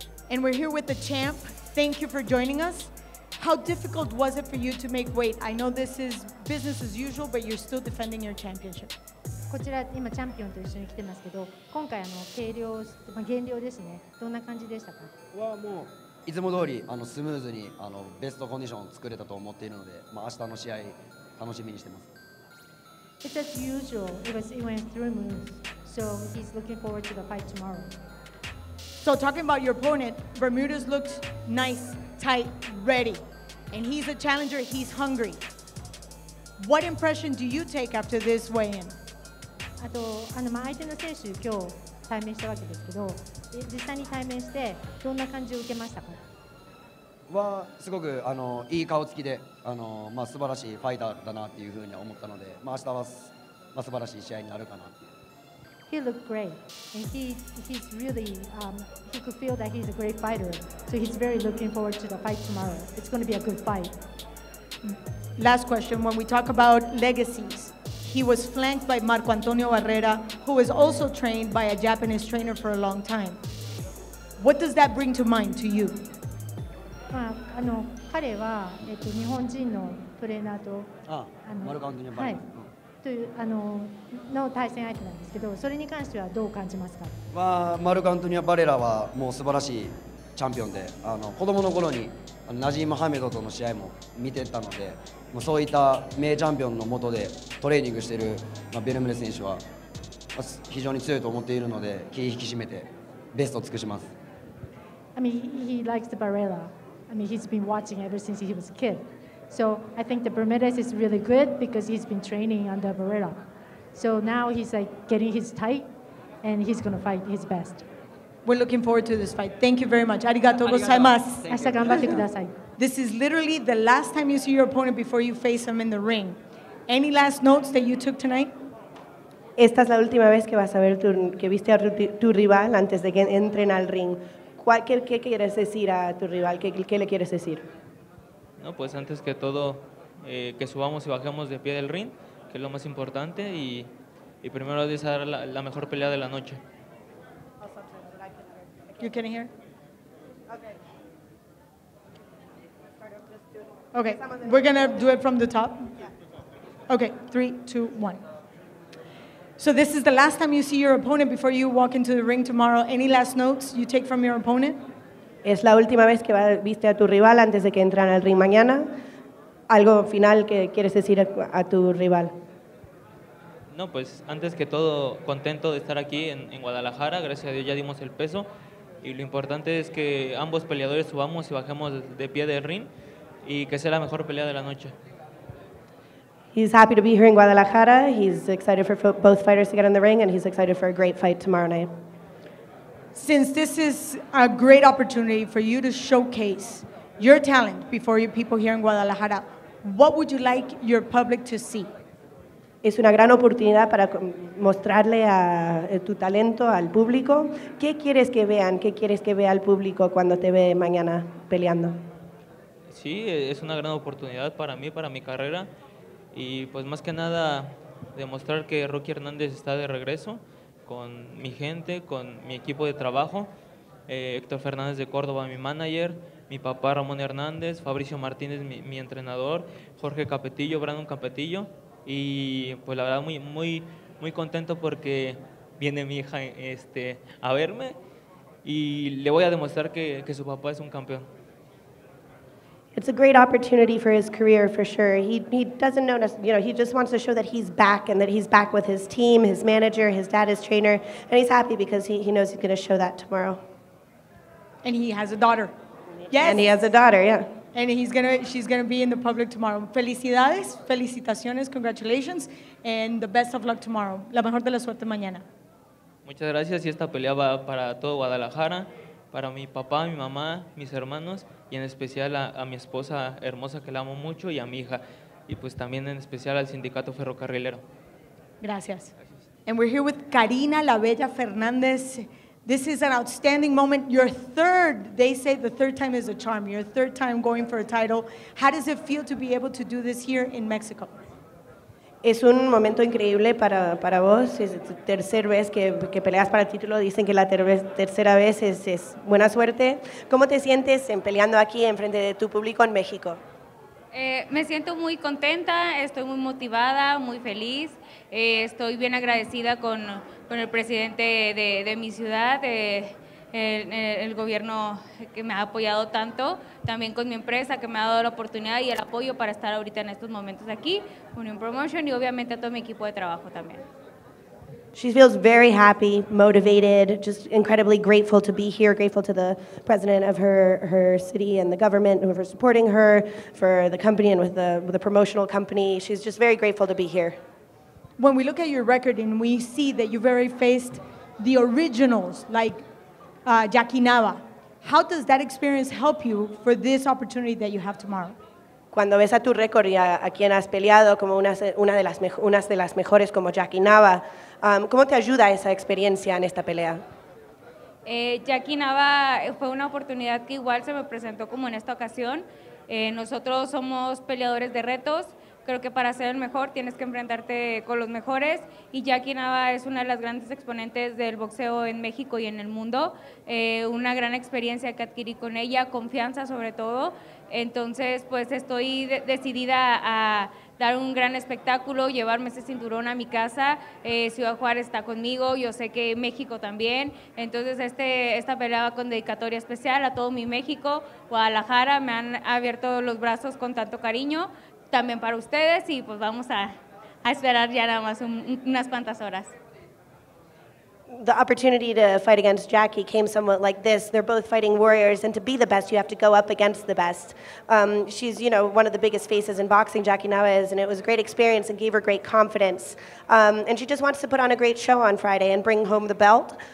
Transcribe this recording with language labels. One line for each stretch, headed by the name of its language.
English: And we're here with the champ. Thank you for joining us. How difficult was it for you to make weight? I know this is business as usual, but you're still defending your championship.
Japanese: こちら今チャンピオンと一緒に来てますけど、今回あの軽量、まあ、減量ですね。どんな感じでしたか？はもういつも通りあのスムーズにあのベストコンディションを作れたと思っているので、まあ明日の試合楽しみにしてます。
English: It's as usual. It went through moves. So he's looking forward to the fight tomorrow. So talking about your opponent, Bermudez looks nice. Tight, ready, and he's a challenger. He's hungry. What impression do you take after this weigh-in?
Japanese: あとあのまあ相手の選手今日対面したわけですけど、実際に対面してどんな感じを受けましたか？はすごくあのいい顔つきで、あのまあ素晴らしいファイターだなっていうふうに思ったので、まあ明日はす、まあ、素晴らしい試合になるかなっていう。
English: He looked great, and he's really, he could feel that he's a great fighter, so he's very looking forward to the fight tomorrow. It's going to be a good fight. Last question, when we talk about legacies, he was flanked by Marco Antonio Herrera, who was also trained by a Japanese trainer for a long time. What does that bring to mind to you? He was a Japanese trainer. Marco Antonio Herrera.
Japanese: というあ の, の対戦相手なんですけど、それに関してはどう感じますか？まあ、マルカントニア・バレラはもう素晴らしいチャンピオンで、あの子供の頃にナジーム・ハメドとの試合も見てたので、もうそういった名チャンピオンの下でトレーニングしている、まあ、ベルムレ選手は、まあ、非常に強いと思っているので、気を引き締めてベストを尽くします。
English: I mean, he likes the Barrera. I mean, he's been watching ever since he was a kidSo I think the Bermudez is really good because he's been training under Barrera. So now he's like getting his tight and he's going to fight his best. We're looking forward to this fight. Thank you very much.
Japanese: Arigatou gozaimasu. 明日頑張ってください。
English: This is literally the last time you see your opponent before you face him in the ring. Any last notes that you took tonight?
Spanish: Esta es la última vez que vas a ver que viste a tu rival antes de que entren al ring. ¿Qué quieres decir a tu rival? ¿Qué le quieres decir? No, pues antes que todo, que subamos y bajemos de pie del ring, que es lo más importante, y primero es dar la mejor pelea de la noche.
English: You can hear? Okay, we're going to do it from the top. Okay, 3, 2, 1. So this is the last time you see your opponent before you walk into the ring tomorrow. Any last notes you take from your opponent?
Spanish: Es la última vez que viste a tu rival antes de que entran al ring mañana. ¿Algo final que quieres decir a tu rival? No, pues antes que todo, contento de estar aquí en Guadalajara. Gracias a Dios ya dimos el peso. Y lo importante es que ambos peleadores subamos y bajemos de pie del ring y que sea la mejor pelea de la noche.
English: He's happy to be here in Guadalajara. He's excited for both fighters to get in the ring and he's excited for a great fight tomorrow night. Since this is a great opportunity for you to showcase your talent before your people here in Guadalajara, what would you like your public to see?
Spanish: Es una gran oportunidad para mostrarle a tu talento al público. ¿Qué quieres que vean? ¿Qué quieres que vea el público cuando te ve mañana peleando? Sí, es una gran oportunidad para mí, para mi carrera, y pues más que nada demostrar que Rocky Hernández está de regreso. Con mi gente, con mi equipo de trabajo, Héctor Fernández de Córdoba, mi manager, mi papá Ramón Hernández, Fabricio Martínez, mi entrenador, Jorge Capetillo, Brandon Capetillo, y pues la verdad muy, muy, muy contento porque viene mi hija a verme y le voy a demostrar que su papá es un campeón.
English: It's a great opportunity for his career, for sure. He doesn't know, you know, he just wants to show that he's back and that he's back with his team, his manager, his dad, his trainer, and he's happy because he knows he's going to show that tomorrow. And he has a daughter. Yes. And he has a daughter, yeah. And she's going to be in the public tomorrow.
Spanish: Felicidades, felicitaciones,
English: congratulations, and the best of luck tomorrow.
Spanish: La mejor de la suerte mañana. Muchas gracias, y esta pelea va para todo Guadalajara, para mi papá, mi mamá, mis hermanos, y en especial a mi esposa hermosa que la amo mucho, y a mi hija, y pues también en especial al sindicato ferrocarrilero.
English: Gracias. And we're here with Karina La Bella Fernández. This is an outstanding moment. Your third, they say the third time is a charm, your third time going for a title. How does it feel to be able to do this here in Mexico?
Spanish: Es un momento increíble para vos. Es tu tercera vez que peleas para el título. Dicen que la tercera vez es buena suerte. ¿Cómo te sientes en peleando aquí en frente de tu público en México? Me siento muy contenta, estoy muy motivada, muy feliz. Estoy bien agradecida con el presidente de mi ciudad, el gobierno que me ha apoyado tanto, también con mi empresa que me ha dado la oportunidad y el apoyo para estar ahorita en estos momentos aquí, Union Promotion, y obviamente a todo mi equipo de trabajo también.
English: She feels very happy, motivated, just incredibly grateful to be here, grateful to the president of her city and the government for supporting her, for the company and with the promotional company. She's just very grateful to be here. When we look at your record and we see that you've already faced the originals, like Jackie Nava, how does that experience help you for this opportunity that you have tomorrow?
Spanish: Cuando ves a tu récord y a quien has peleado como unas de las mejores como Jackie Nava, ¿cómo te ayuda esa experiencia en esta pelea? Jackie Nava fue una oportunidad que igual se me presentó como en esta ocasión. Nosotros somos peleadores de retos. Creo que para ser el mejor tienes que enfrentarte con los mejores y Jackie Nava es una de las grandes exponentes del boxeo en México y en el mundo. Una gran experiencia que adquirí con ella, confianza sobre todo. Entonces, pues estoy decidida a dar un gran espectáculo, llevarme ese cinturón a mi casa. Ciudad Juárez está conmigo, yo sé que México también. Entonces, esta pelea va con dedicatoria especial a todo mi México. Guadalajara, me han abierto los brazos con tanto cariño. También para ustedes y pues vamos a esperar ya nada más unas cuantas horas.
English: The opportunity to fight against Jackie came somewhat like this. They're both fighting warriors, and to be the best, you have to go up against the best. She's, you know, one of the biggest faces in boxing, Jackie Nava is, and it was a great experience and gave her great confidence. And she just wants to put on a great show on Friday and bring home the belt.